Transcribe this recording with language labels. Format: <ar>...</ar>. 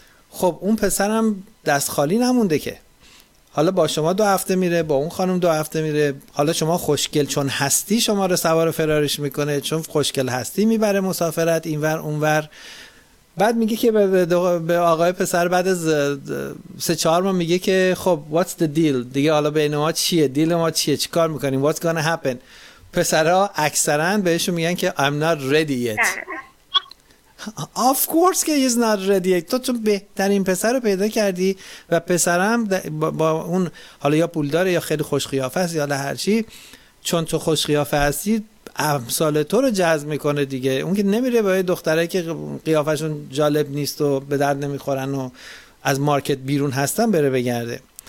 <fa>خب اون پسرم دست خالی نمونده که، حالا با شما 2 هفته میره، با اون خانم 2 هفته میره، حالا شما خوشگل چون هستی شما رو سوار فرارش میکنه، چون خوشگل هستی میبره مسافرت اینور اونور. بعد میگه که به آقای پسر بعد از 3-4 ماه میگه که خب</fa> <en>what's the deal،</en> <fa>دیگه حالا بین ما چیه، دیل ما چیه، چی کار میکنیم،</fa> <en>what's gonna happen.</en> <fa>پسرها اکثرا بهشون میگن که</fa> <en>I'm not ready yet، Of course</en> <fa>که</fa> <en>he's not ready.</en> <fa>تو چون بهترین پسر رو پیدا کردی و پسرم با اون حالا یا پول داره یا خیلی خوش قیافه است یا هر چی، چون تو خوش قیافه هستی امثال تو رو جذب میکنه دیگه. اون که نمیره با یه دختره که قیافشون جالب نیست و به درد نمیخورن و از مارکت بیرون هستن بره بگرده.</fa>